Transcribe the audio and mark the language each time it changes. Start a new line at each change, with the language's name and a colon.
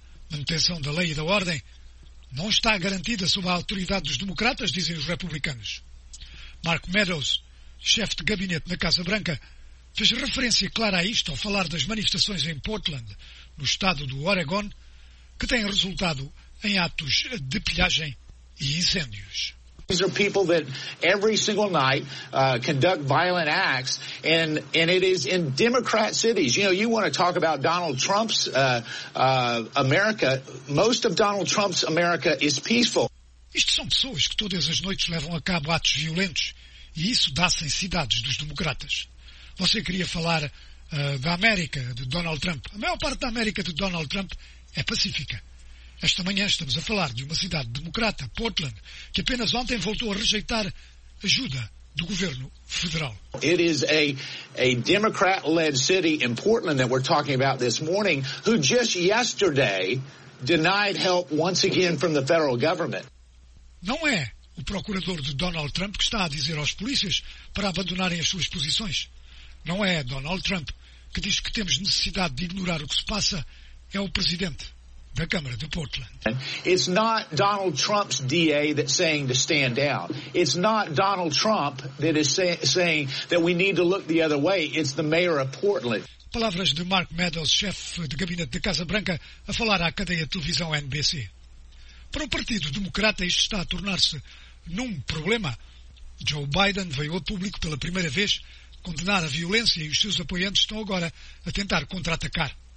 Portuguese: Manutenção da lei e da ordem não está garantida sob a autoridade dos democratas, dizem os republicanos. Mark Meadows, chefe de gabinete na Casa Branca, fez referência clara a isto ao falar das manifestações em Portland, no estado do Oregon, que têm resultado em atos de pilhagem e incêndios.
English: These are people that every single night conduct violent acts, and it is in Democrat cities. You know, you want to talk about Donald Trump's America. Most of Donald Trump's America is peaceful.
Portuguese: Isto são pessoas que todas as noites levam a cabo atos violentos, e isso dá-se em cidades dos democratas. Você queria falar da América, de Donald Trump. A maior parte da América de Donald Trump é pacífica. Esta manhã estamos a falar de uma cidade democrata, Portland, que apenas ontem voltou a rejeitar ajuda do governo federal.
English: It is a Democrat-led city in Portland that we're talking about this morning, who just yesterday denied help once again from the federal government.
Portuguese: Não é o procurador de Donald Trump que está a dizer aos polícias para abandonarem as suas posições. Não é Donald Trump que diz que temos necessidade de ignorar o que se passa. É o presidente da Câmara de Portland.
English: It's not Donald Trump's DA that's saying to stand down. It's not Donald Trump that is saying that we need to look the other way. It's the mayor of Portland.
Portuguese: Palavras de Mark Meadows, chefe de gabinete da Casa Branca, a falar à cadeia de televisão NBC. Para o Partido Democrata, isto está a tornar-se num problema. Joe Biden veio ao público pela primeira vez condenar a violência e os seus apoiantes estão agora a tentar contra-atacar.